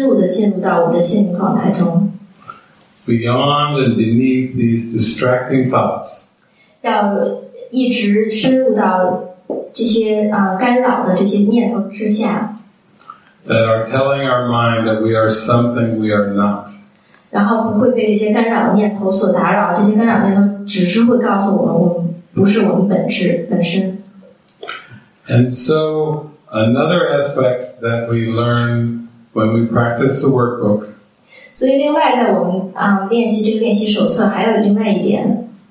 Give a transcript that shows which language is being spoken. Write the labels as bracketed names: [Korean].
[Chinese] 我们实际上会要求自己去很深入地进入到我们的心灵状态中。 [English] Beyond and beneath these distracting thoughts. [Chinese] 要一直深入到这些干扰的这些念头之下。 [English] That are telling our mind that we are something we are not. [Chinese] 然后不会被这些干扰念头所打扰，这些干扰念头只是会告诉我们，我们不是我们本质本身。 [English] And so, another aspect that we learn when we practice the workbook. [Chinese] 所以另外在我们练习这个练习手册还有另外一点。